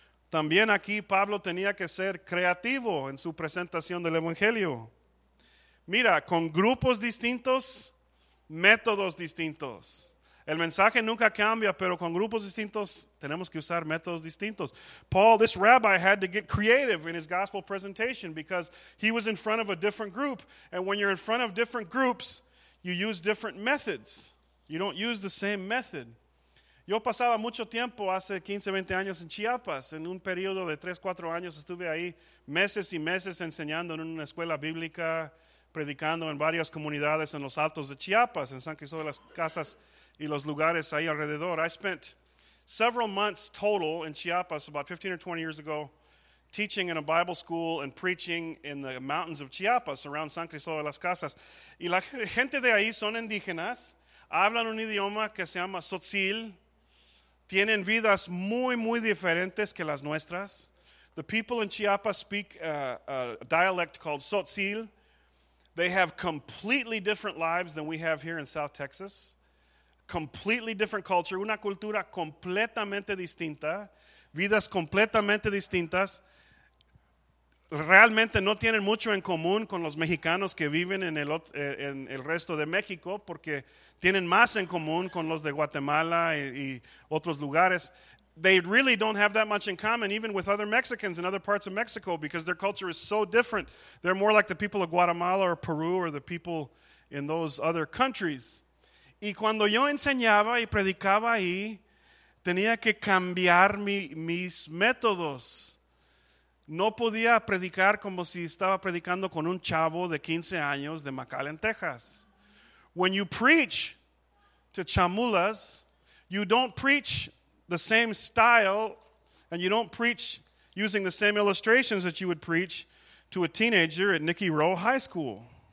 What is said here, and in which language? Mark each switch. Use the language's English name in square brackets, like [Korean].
[Spanish] También aquí Pablo tenía que ser creativo en su presentación del Evangelio. Mira, con grupos distintos, métodos distintos. El mensaje nunca cambia, pero con grupos distintos tenemos que usar métodos distintos. [English] Paul, this rabbi had to get creative in his gospel presentation because he was in front of a different group. And when you're in front of different groups, you use different methods. You don't use the same method. [Spanish] Yo pasaba mucho tiempo hace 15, 20 años en Chiapas. En un periodo de 3, 4 años estuve ahí meses y meses enseñando en una escuela bíblica, predicando en varias comunidades en los altos de Chiapas, en San Cristóbal de las Casas y los lugares ahí alrededor. [English] I spent several months total in Chiapas about 15 or 20 years ago teaching in a Bible school and preaching in the mountains of Chiapas around San Cristóbal de las Casas. [Spanish] Y la gente de ahí son indígenas, hablan un idioma que se llama Tzotzil, tienen vidas muy, muy diferentes que las nuestras. [English] The people in Chiapas speak a dialect called Tzotzil. They have completely different lives than we have here in South Texas. Completely different culture. [Spanish] Una cultura completamente distinta. Vidas completamente distintas. Realmente no tienen mucho en común con los mexicanos que viven en el resto de México, porque tienen más en común con los de Guatemala y otros lugares. [English] They really don't have that much in common even with other Mexicans in other parts of Mexico because their culture is so different. They're more like the people of Guatemala or Peru or the people in those other countries. [Spanish] Y cuando yo enseñaba y predicaba ahí, tenía que cambiar mis métodos. No podía predicar como si estaba predicando con un chavo de 15 años de McAllen, Texas. [English] When you preach to chamulas, you don't preach the same style, and you don't preach using the same illustrations that you would preach to a teenager at Nicky Rowe High School.